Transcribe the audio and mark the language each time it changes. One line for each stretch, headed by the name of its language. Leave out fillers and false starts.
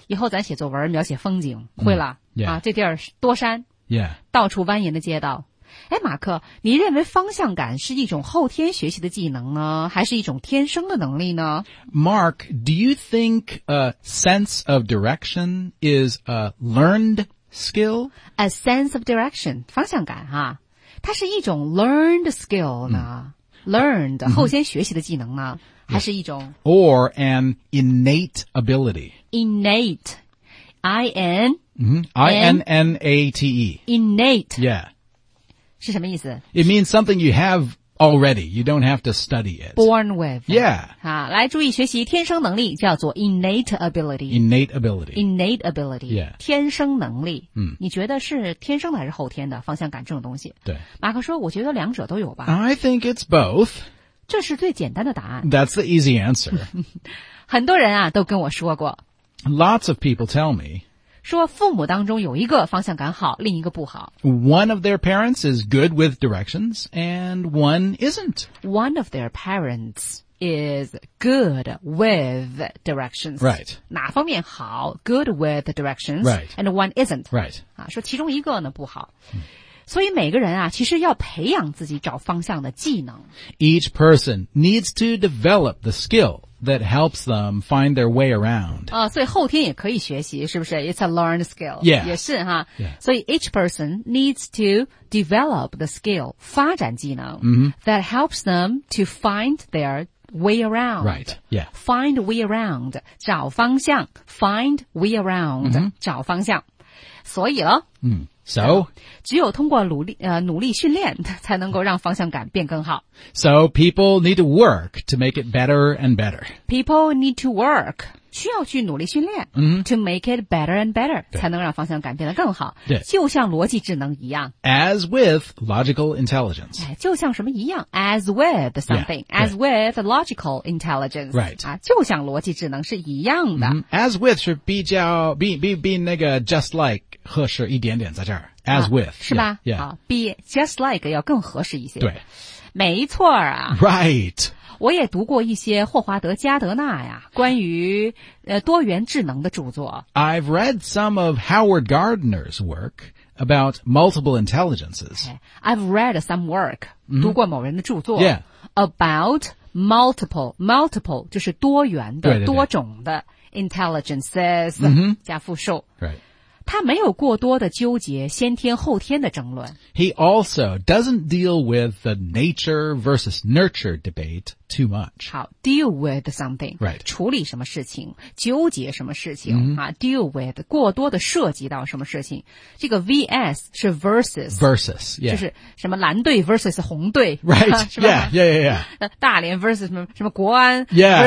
Chinese: 以后咱写作文描写风景会了、
English: 嗯 yeah.
Chinese: 啊，这地儿多山
English: ，yeah，
Chinese: 到处蜿蜒的街道，哎，马克，你认为方向感是一种后天学习的技能呢，还是一种天生的能力呢
English: ？Mark， do you think a sense of direction is a learned skill？ A sense of direction，
Chinese: 方向感哈、啊，它是一种
English: learned skill
Chinese: 呢、嗯、，learned 后天学习的技能呢，嗯、还是一种
English: ？Or an innate ability？ Innate， innate， innate， yeah。
Chinese: 是什么意思
English: ？It means something you have already. You don't have to study it. Born with. Yeah.
Chinese: 啊，来注意学习天生能力叫做 innate ability.
English: Innate ability. Innate ability. Yeah.
Chinese: 天生能力。嗯。你觉得是天生的还是后天的方向感这种东西？对。马克说：“我觉得两者都有吧。”
English: I think it's both.
Chinese: 这是最简单的答案。
English: That's the easy answer.
Chinese: 很多人啊都跟我说过，
English: Lots of people tell me,
Chinese: 说父母当中有一个方向感好，另一个不好。
English: One of their parents is good with directions and one isn't. One of their parents is good with directions. Right.
Chinese: 哪方面好
English: good with directions. Right. And one isn't. Right.
Chinese: 啊，说其中一个呢不好。所以每个人啊，其实要培养自己找方向的技能。
English: Each person needs to develop the skill that helps them find their way around.
Chinese: 啊，所以后天也可以学习，是不是 ？
English: It's a learned skill. Yeah.
Chinese: 也是哈。
English: Yeah. 所以 each person needs to develop the skill
Chinese: 发展技能、
English: mm-hmm. that helps them to find their way around. Right. Yeah. Find way around
Chinese: 找方向
English: ，find way around、 mm-hmm.
Chinese: 找方向。所以了。
English: 嗯、mm.。So,
Chinese: 只有通过努力训练才能够让方向感变更好。
English: So, people need to work to make it better and better. People need to work,
Chinese: 需要去努力训练、
English: mm-hmm. to make it better and better,
Chinese: 才能让方向感变得更好。对。就像逻辑智能一样。
English: As with logical intelligence.、
Chinese: 哎、就像什么一样 ,
English: as with something, yeah, as with logical intelligence. Right.、
Chinese: 啊、就像逻辑智能是一样的。 Mm-hmm.
English: As with
Chinese: 是比较 比那个
English: just like,
Chinese: 合适一点点在这儿 ,as with,、啊、是吧
English: yeah,
Chinese: yeah. 比
English: just like
Chinese: 要更合适一些。对。没错啊。
English: Right.
Chinese: 我也读过一些霍华德·加德纳呀关于多元智能的著作。
English: I've read some of Howard Gardner's work about multiple intelligences.、 Okay. I've read some work,、 mm-hmm.
Chinese: 读过某人的著作、
English: yeah. about multiple,
Chinese: 就是多元的对对对多种的 intelligences,、
English: mm-hmm.
Chinese: 加复数。
English: Right.
Chinese: 他没有过多的纠结先天后天的争论。
English: He also doesn't deal with the nature versus nurture debate too much. 好 ,deal with something. Right.
Chinese: 处理什么事情纠结什么事情、
English: mm-hmm.
Chinese: 啊 ,
English: deal with,
Chinese: 过多的涉及到什么事情。这个 VS 是 versus.
English: Versus, yeah.
Chinese: 就是什么蓝队 versus 红队。
English: Right, yeah, yeah, yeah, yeah.
Chinese: 大连 versus 什么国安
English: yeah,